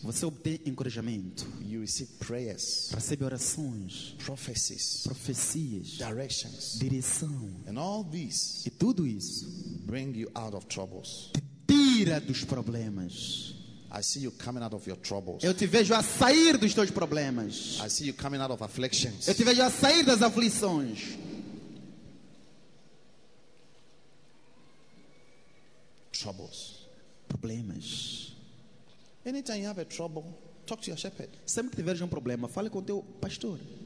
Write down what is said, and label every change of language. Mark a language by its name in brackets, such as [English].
[Portuguese] Você obtém encorajamento. [English] You receive prayers. [Portuguese] Recebe orações. [English] Prophecies. [Portuguese] Profecias. [English] Directions. [Portuguese] Direção. [English] And all these. [Portuguese] E tudo isso. [English] Bring you out of troubles. [Portuguese] Te tira dos problemas. [English] I see you coming out of your troubles. [Portuguese] Eu te vejo a sair dos teus problemas. [English] I see you coming out of afflictions. [Portuguese] Eu te vejo a sair das aflições. [English] Troubles. [Portuguese] Problemas. [English] Anytime you have a trouble, talk to your shepherd. [Portuguese] Sempre que tiver um problema, fale com teu pastor.